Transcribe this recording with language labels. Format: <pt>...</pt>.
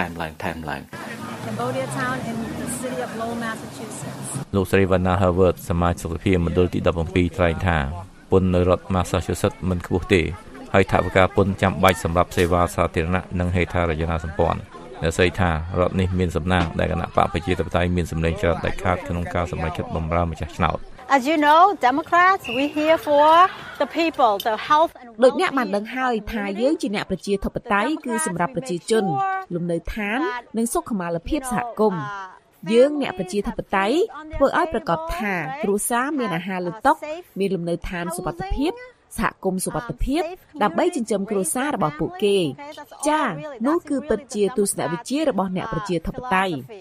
<km>លោកស្រីវណ្ណា Harvard សមាជិកសភាមណ្ឌលទី17ថ្លែងថាពន្ធនៅរដ្ឋ Massachusetts មិនខ្ពស់ទេហើយថវិកាពន្ធចាំបាច់សម្រាប់សេវាសាធារណៈនិងហេដ្ឋារចនាសម្ព័ន្ធអ្នកស្រីថារដ្ឋនេះមានសំណាងដែលគណៈបកប្រជាធិបតេយ្យមានសំឡេងច្រើនដាច់ខាតក្នុងការសម្រេចចិត្តបម្រើម្ចាស់ឆ្នោត</km> <en>As you know, Democrats, we're here for the people, the health and well-being.</en> <km>ដូចអ្នកបានដឹងហើយថាយើងជាអ្នកប្រជាធិបតេយ្យគឺសម្រាប់ប្រជាជនលំនៅឋាននិងសុខុមាលភាពសហគមន៍យើងអ្នកប្រជាធិបតេយ្យធ្វើឲ្យប្រកបថាគ្រួសារមានអាហារលើតុមានលំនៅឋានសុវត្ថិភាពសហគមន៍សុវត្ថិភាពដើម្បីចិញ្ចឹមគ្រួសាររបស់ពួកគេចា៎នោះគឺពិតជាទស្សនវិជ្ជារបស់អ្នកប្រជាធិបតេយ្យ</km>